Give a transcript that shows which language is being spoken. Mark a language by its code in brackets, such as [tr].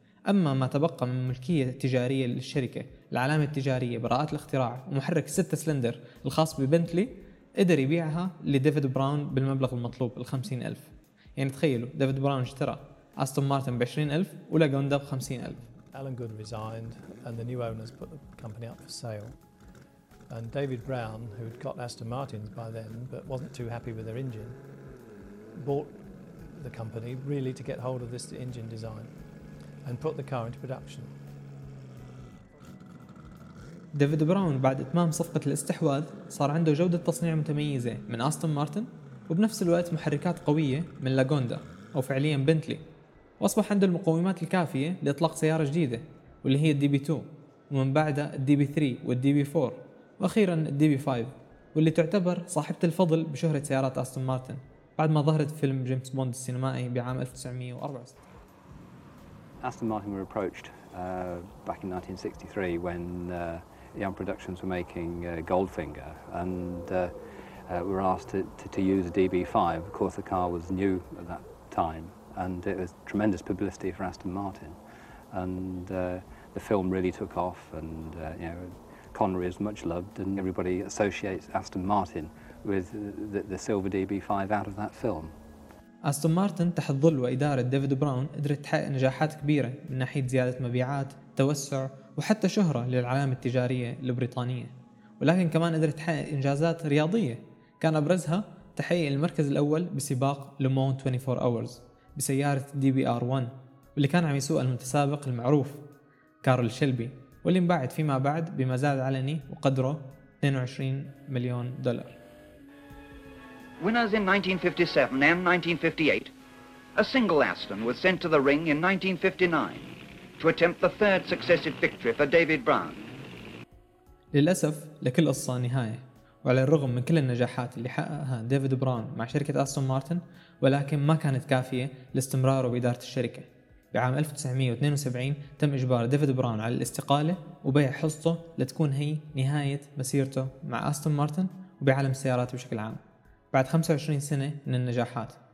[ar] أما ما تبقى من ملكية تجارية للشركة، العلامة التجارية، براءة الاختراع ومحرك 6 سلندر الخاص ببنتلي، قدر يبيعها لديفيد براون بالمبلغ المطلوب 50,000. يعني تخيلوا، ديفيد براون اشترى أستون مارتن ب20,000 ولاغوندا ب50,000. [en] Alan Good resigned and the new owners put the company up for sale. And David Brown, who'd got Aston Martins by then but wasn't too happy with their engine, bought the company really to get hold of this engine design and put the car into production. [ar] ديفيد براون بعد إتمام صفقة الاستحواذ صار عنده جودة تصنيع متميزة من أستون مارتن وبنفس الوقت محركات قوية من لاغوندا أو فعليا بنتلي، وأصبح عنده المقومات الكافية لإطلاق سيارة جديدة واللي هي الدي بي 2، ومن بعدها الدي بي 3 والدي بي 4، وأخيرا الدي بي 5 واللي تعتبر صاحبة الفضل بشهرة سيارات أستون مارتن بعد ما ظهرت فيلم جيمس بوند السينمائي بعام 1964. [en] Aston Martin were approached back in 1963 when Yam Productions were making Goldfinger and were asked to use a DB5. Of course the car was new at that time and it was tremendous publicity for Aston Martin, and the film really took off, and you know, Connery is much loved and everybody associates Aston Martin with the silver DB5 out of that film. [ar] أستون مارتن تحت ظل وإدارة ديفيد براون قدرت تحقق نجاحات كبيرة من ناحية زيادة مبيعات، توسع وحتى شهرة للعلامة التجارية البريطانية، ولكن كمان قدرت تحقق إنجازات رياضية كان أبرزها تحقيق المركز الأول بسباق لومون 24 أورز بسيارة DBR1 واللي كان عم يسوق المتسابق المعروف كارل شيلبي، واللي انباعت فيما بعد بمزاد علني وقدره 22 مليون دولار. [en] Winners in 1957 and 1958, a single Aston was sent to the ring in 1959 to attempt the third successive victory for David Brown. [ar] للأسف لكل قصة نهاية، وعلى الرغم من كل النجاحات اللي حققها ديفيد براون مع شركة أستون مارتن، ولكن ما كانت كافية لاستمراره بإدارة الشركة. بعام 1972 تم إجبار ديفيد براون على الاستقالة وبيع حصته لتكون هي نهاية مسيرته مع أستون مارتن وبعالم السيارات بشكل عام بعد 25 سنة من النجاحات.